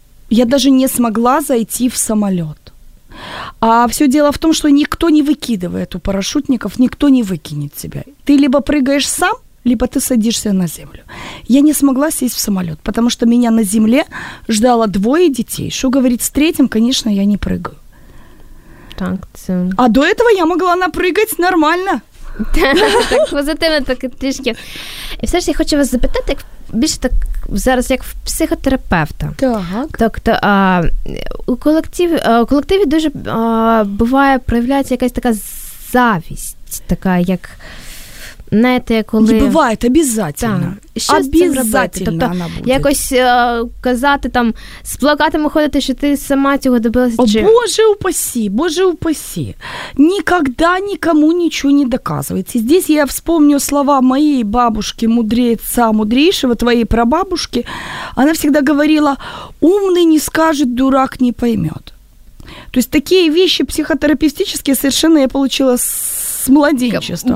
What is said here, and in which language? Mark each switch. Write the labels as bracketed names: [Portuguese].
[Russian] Я даже не смогла зайти в самолет. А все дело в том, что никто не выкидывает у парашютников, никто не выкинет тебя. Ты либо прыгаешь сам, либо ты садишься на землю. Я не смогла сесть в самолет, потому что меня на земле ждало двое детей. Что говорить с третьим, конечно, я не прыгаю. [Ukrainian] Так, це... [Russian] А до этого я могла напрыгать нормально. [Ukrainian] Так позитивно, так трішки. І все ж я хочу вас запитати, як більше так зараз, як психотерапевта. Так. Тобто, у колективі дуже буває, проявляється якась така завість, така, як, знаєте, коли... Не буває, обов'язково. Що обов'язково тобто, вона буде. Якось казати там, з плакатами ходити, що ти сама цього добилася. О, чи... [Russian] Боже упаси. [Ukrainian] Ніколи нікому нічого не доказується. [Russian] Здесь я вспомню слова [Ukrainian] моєї бабушки, мудреця мудрейшого, твоєї прабабушки. Вона завжди говорила, умний не скаже, [Russian] дурак не поймет. То есть такие вещи психотерапевтические совершенно я получила с младенчества.